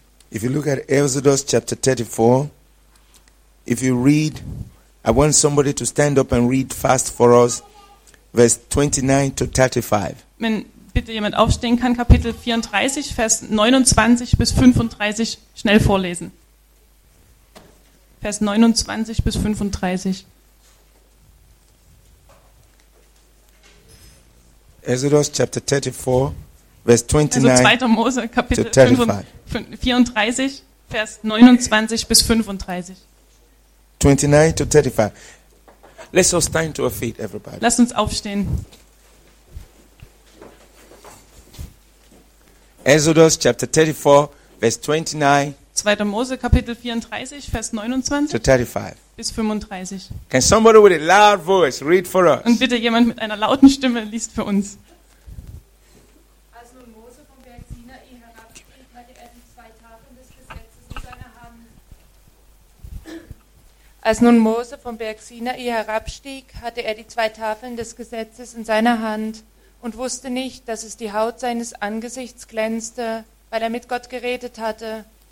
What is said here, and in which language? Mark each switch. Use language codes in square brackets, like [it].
[en] If you look at Exodus chapter 34, if you read, I want somebody to stand up and read fast for us, verse 29 to 35. [de] Wenn bitte jemand aufstehen kann, Kapitel 34, Vers 29 bis 35 schnell vorlesen. Vers 29 bis 35. [en] Exodus chapter 34, verse 29. [de] Also 2. Mose, Kapitel 34, Vers 29 bis 35. [en] 29 to 35. Let's all stand to our feet, everybody. [de] Lasst uns aufstehen. [en] Exodus chapter 34, verse 29. [de] 2. Mose, Kapitel 34, Vers 29 [en] to 35. [de] Bis 35. [en] Can somebody with a loud voice read for us? [de] Und bitte jemand mit einer lauten Stimme liest für uns. Als nun Mose vom Berg Sinai heraufging, war die Erde 2 Tafeln des Gesetzes in seiner Hand. Als nun Mose vom Berg Sinai herabstieg, hatte er die 2 Tafeln des Gesetzes in seiner Hand und wusste nicht, dass es die Haut seines Angesichts glänzte, weil er mit Gott geredet hatte.